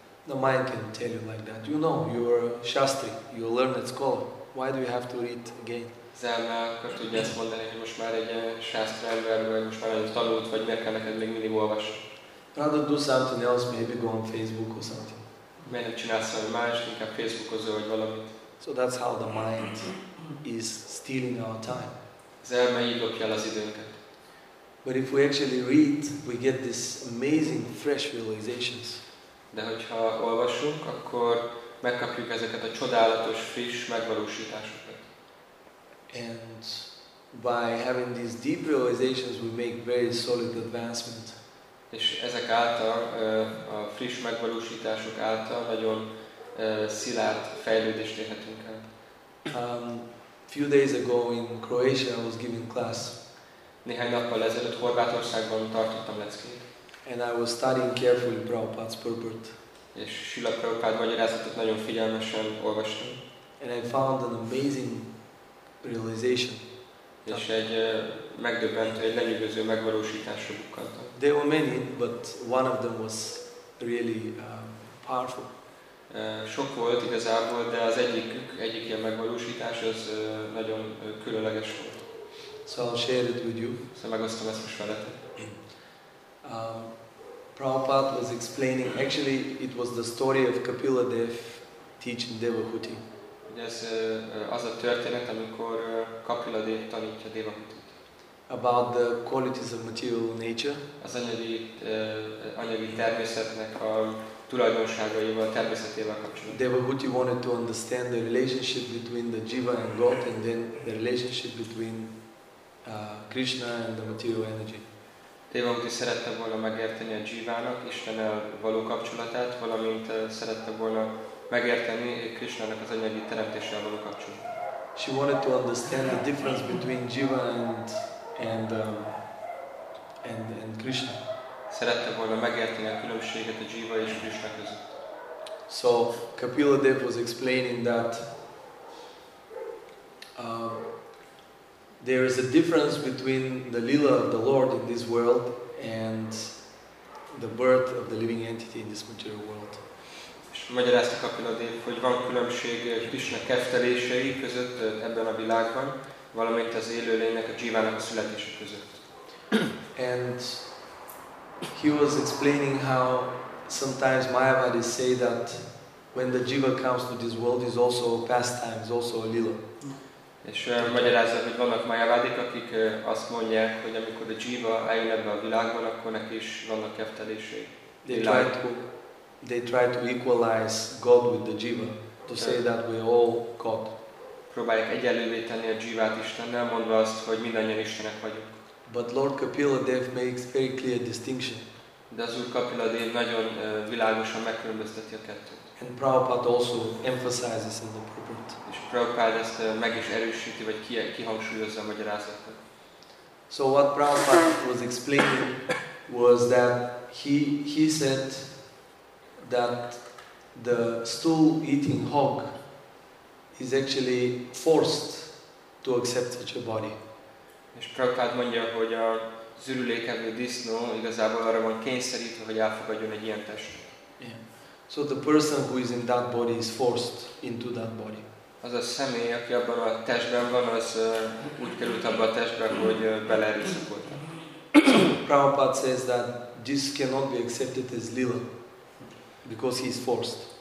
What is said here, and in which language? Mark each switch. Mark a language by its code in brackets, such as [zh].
[en] The mind can tell you like that. You know, you're a Shastri, you learned at school. Why do you have to read again? [hu] Az elme akkor tudja ezt mondani, hogy most már egy Shastri ember vagy, most már egy tanult vagy, miért kell neked még mindig olvasni? [en] Rather do something else, maybe go on Facebook or something. [hu] Miért nem csinálsz valami más, inkább Facebookozol vagy valamit. [en] So that's how the mind is stealing our time. [hu] Az elme így lopja el az időnket. [en] But if we actually read, we get this amazing fresh realizations. [hu] De hogyha olvasunk, akkor megkapjuk ezeket a csodálatos, friss megvalósításokat. [en] And by having these deep realizations, we make very solid advancement. [hu] És ezek által, a friss megvalósítások által nagyon szilárd fejlődést érhetünk el. [en] Few days ago in Croatia I was giving class. [hu] Néhány nappal ezelőtt Horvátországban tartottam leckét. [en] And I was studying carefully Prabhupada's purport. [hu] És Srila Prabhupada magyarázatot nagyon figyelmesen olvastam. [en] And I found an amazing realization. [hu] És egy megdöbbentő, egy lenyűgöző megvalósításra bukkantam. [en] There were many, but one of them was really powerful. [hu] Sok volt igazából, de az egyik ilyen megvalósítás az nagyon különleges volt. [en] So I'll share it with you. [hu] Szóval megosztom ezt most veletek. [en] Prabhupada was explaining, actually it was the story of Kapila Dev teaching Devahuti. [hu] Ez az a történet, amikor Kapila Dev tanítja Devahutit. [en] About the qualities of material nature. [hu] Az anyagi természetnek a tulajdonságaival, természetével kapcsolatban. [en] Devahuti wanted to understand the relationship between the jiva and God, and then the relationship between Krishna and the material energy. [hu] Devahuti szerette volna megérteni a jivának, Istennel való kapcsolatát, valamint szerette volna megérteni Krishnának az anyagi teremtéssel való kapcsolatát. [en] She wanted to understand the difference between jiva and Krishna. [hu] Szerette volna megérteni a különbséget a jiva és Krishna között. [en] So Kapila Dev was explaining that there is a difference between the lila of the Lord in this world and the birth of the living entity in this material world. [hu] Magyarázta Kapila Dev, hogy van különbség Krishna keftelései között ebben a világban, valamint az élőlénynek, a jivának a születése között. [en] And he was explaining how sometimes Mayavadis say that when the jiva comes to this world is also a pastime, is also a lila. [hu] És magyarázza, hogy vannak Mayavadik, akik azt mondják, hogy amikor a jiva eljön ebbe a világban, akkor neki is vannak keftelései. [en] They try to equalize God with the jiva, to say that we are all God. [hu] Próbálják egyenlővé tenni a jivát Istennel, mondva azt, hogy mindannyian Istenek vagyunk. [en] But Lord Kapila Dev makes very clear distinction. [hu] De az Úr Kapila Dev nagyon világosan megkülönbözteti a kettőt. [en] And Prabhupada also emphasizes in the purport. [hu] És Prabhupada ezt meg is erősíti, vagy kihangsúlyozza a magyarázatot. [en] So what Prabhupada was explaining was that he said that the stool-eating hog is actually forced to accept such a body. [hu] És Prabhupada mondja, hogy a zürülékevő disznó igazából arra van kényszerítve, hogy elfogadjon egy ilyen testet. [en] Yeah. So the person who is in that body is forced into that body. [hu] Az a személy, aki abban a testben van, az úgy került abban a testben, hogy beleerőszakolta. [en] Prabhupada says that this cannot be accepted as lila, because he is forced.